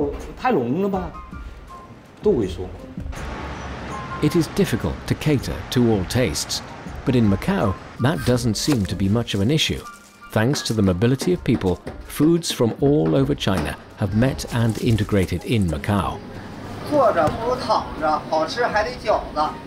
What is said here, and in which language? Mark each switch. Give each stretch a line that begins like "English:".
Chinese: 还有一些老的客户的老朋友跟我说，你调料的时候有些多，有些少，客人都会说，为什么今天咸呢？为什么今天甜的不得了？好像是味道太浓了吧？都会说。
English: It is difficult to cater to all tastes, but in Macao, that doesn't seem to be much of an issue. Thanks to the mobility of people, foods from all over China have met and integrated in Macao.
Chinese: 坐着不如躺着，好吃还得饺子。